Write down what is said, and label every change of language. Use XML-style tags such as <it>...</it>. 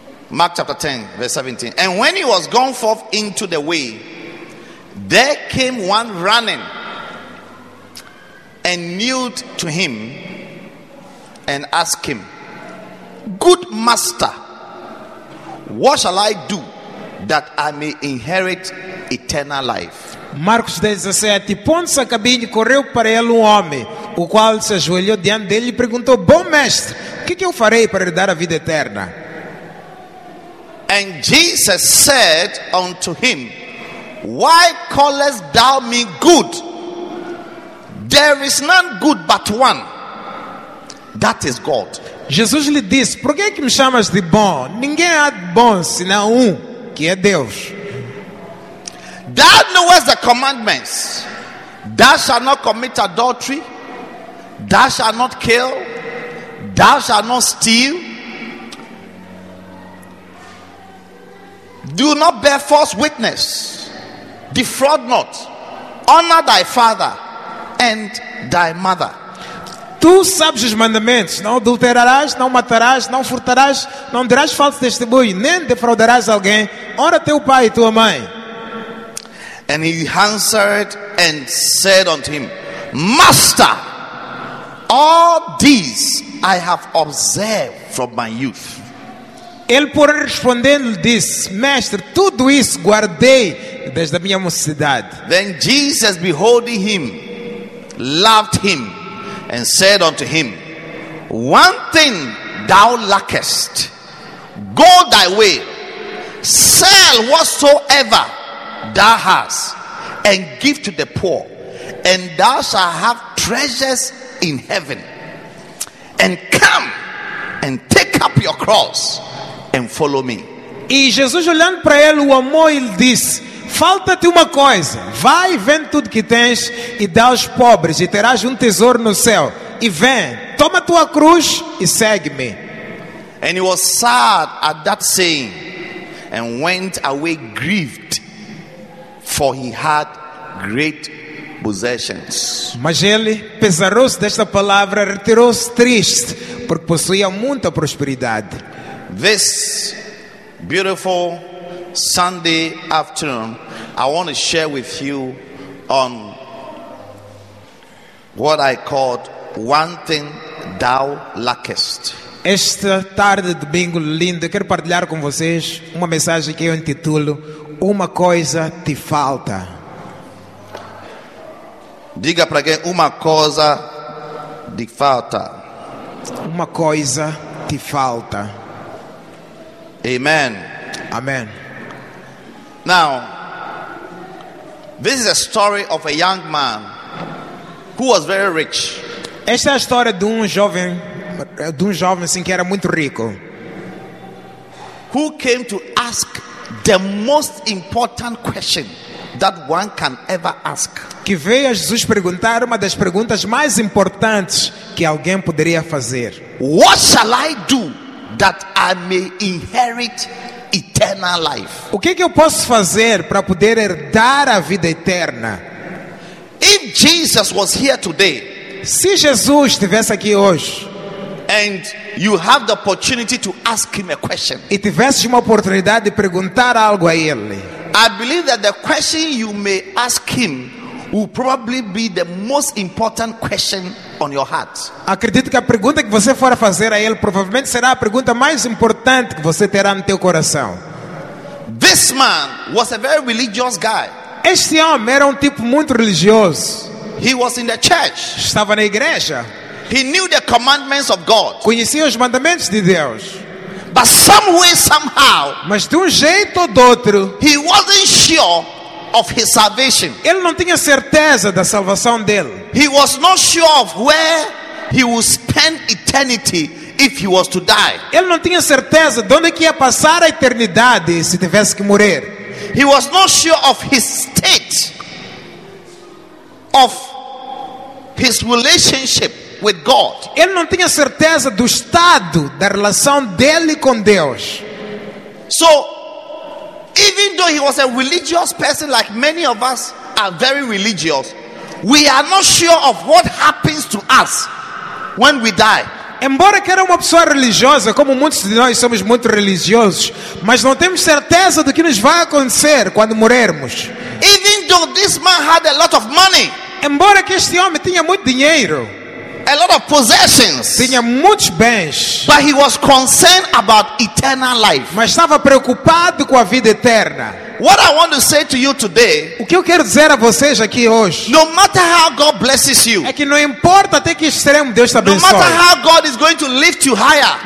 <en>Mark chapter 10, verse 17. And when he was gone forth into the way, there came one running and kneeled to him and asked him, "Good master, what shall I do that I may inherit eternal life?"</en> <pt>Marcos 10:17. Pondo-se a caminho, correu para ele homem, o qual se ajoelhou diante dele e perguntou, "Bom mestre, o que eu farei para herdar a vida eterna?"</pt> <en>And Jesus said unto him, Why callest thou me good? There is none good but one, that is God.</en> <pt>Jesus lhe disse, por que me chamas de bom? Ninguém há de bom senão que é Deus.</pt> <en>Thou knowest the commandments. Thou shalt not commit adultery. Thou shalt not kill. Thou shalt not steal. Do not bear false witness. Defraud not. Honor thy father and thy mother.</en> <pt>Tu sabes os mandamentos. Não adulterarás, não matarás, não furtarás, não darás falso testemunho, nem defraudarás alguém. Honra teu pai e tua mãe.</pt> <en>And he answered and said unto him, Master, all these I have observed from my youth.</en> <pt>Ele, porém, respondendo, lhe disse, Mestre, tudo isso guardei desde a minha mocidade.</pt> <en>Then Jesus, beholding him, loved him, and said unto him, One thing thou lackest, go thy way, sell whatsoever thou hast, and give to the poor, and thou shalt have treasures in heaven. And come and take up your cross and follow me.</en> <pt>E Jesus, olhando para ele, o amou, ele disse: Falta-te uma coisa, vai e vende tudo que tens, e dá aos pobres, e terás um tesouro no céu. E vem, toma tua cruz e segue-me.</pt> <en>And he was sad at that saying, and went away grieved. For he had great possessions.</en> <pt>Mas ele, pesaroso desta palavra, retirou-se triste, porque possuía muita prosperidade.</pt> <en>This beautiful Sunday afternoon, I want to share with you on what I called One Thing Thou Lackest.</en> <pt>Esta tarde de domingo linda, quero partilhar com vocês uma mensagem que eu intitulo Uma coisa te falta. Diga para alguém, uma coisa te falta. Uma coisa te falta. Amen. Amen.</pt> <en>Now, this is a story of a young man who was very rich.</en> <pt>Esta é a história de um jovem assim, que era muito rico.</pt> <en>Who came to ask the most important question that one can ever ask.</en> <pt>Que veio a Jesus perguntar uma das perguntas mais importantes que alguém poderia fazer.</pt> <en>What shall I do that I may inherit eternal life?</en> <pt>O que eu posso fazer para poder herdar a vida eterna?</pt> <en>If Jesus was here today,</en> <pt>se Jesus estivesse aqui hoje,</pt> <en>and you have the opportunity to ask him a question,</en> <pt>e tivesse uma oportunidade de perguntar algo a ele,</pt> <en>I believe that the question you may ask him will probably be the most important question on your heart.</en> <pt>Acredito que a pergunta que você for fazer a ele provavelmente será a pergunta mais importante que você terá no teu coração.</pt> <en>This man was a very religious guy.</en> <pt>Este homem era tipo muito religioso.</pt> <en>He was in the church.</en> <pt>Estava na igreja.</pt> <en>He knew the commandments of God.</en> <pt>Conhecia os mandamentos de Deus.</pt> <en>But some way, somehow,</en> <pt>mas de jeito ou de outro,</pt> <en>he wasn't sure of his salvation.</en> <pt>Ele não tinha certeza da salvação dele.</pt> <en>He was not sure of where he would spend eternity if he was to die.</en> <pt>Ele não tinha certeza de onde ia passar a eternidade se tivesse que morrer.</pt> <en>He was not sure of his state, of his relationship with God.</en> <pt>Ele não tinha certeza do estado da relação dele com Deus.</pt> <en>So, even though he was a religious person, like many of us are very religious, we are not sure of what happens to us when we die.</en> <pt>Embora que era uma pessoa religiosa, como muitos de nós somos muito religiosos, mas não temos certeza do que nos vai acontecer quando morrermos.</pt> <en>Even though this man had a lot of money,</en> <pt>embora que este homem tinha muito dinheiro,</pt> <en>a lot of possessions,</en> <pt>tinha muitos bens,</pt> <en>but he was concerned about eternal life.</en> <pt>Mas estava preocupado com a vida eterna.</pt> <en>What I want to say to you today,</en> <pt>o que eu quero dizer a vocês aqui hoje,</pt> <en>no matter how God blesses you,</en> <pt>é que não importa até que extremo Deus te abençoe.</pt> <en>No matter how God is going to lift you higher,</en>